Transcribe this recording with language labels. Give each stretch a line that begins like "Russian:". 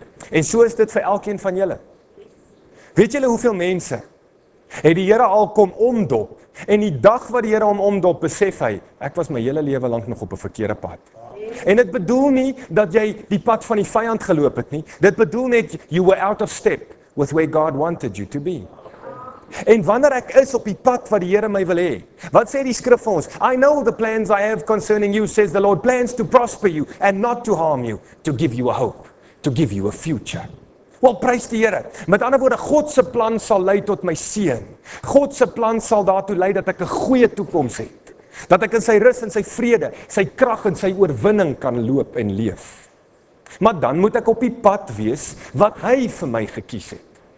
Afrikaans: En so is dit vir elkeen van julle. Weet julle hoeveel mense het die Here al kom omdop en die dag wat die Here hom omdop, besef hy, ek was my hele lewe lank nog op 'n verkeerde pad. En dit bedoel nie dat jy die pad van die vyand geloop het nie. Dit bedoel net
English: you were out of step with where God wanted you to be.
Afrikaans: En wanneer ek is op die pad wat die Here my wil hê. Wat sê die skrif vir ons?
English: I know the plans I have concerning you says the Lord, plans to prosper you and not to harm you, to give you a hope, to give you a future.
Afrikaans: Wel, prys die Here. Met ander woorde, God se plan sal lei tot my seën. God se plan sal daartoe lei dat ek 'n goeie toekoms het. Dat ek in sy rus en sy vrede, sy krag en sy oorwinning kan loop en leef. Maar dan moet ek op die pad wees wat hy vir my gekies het.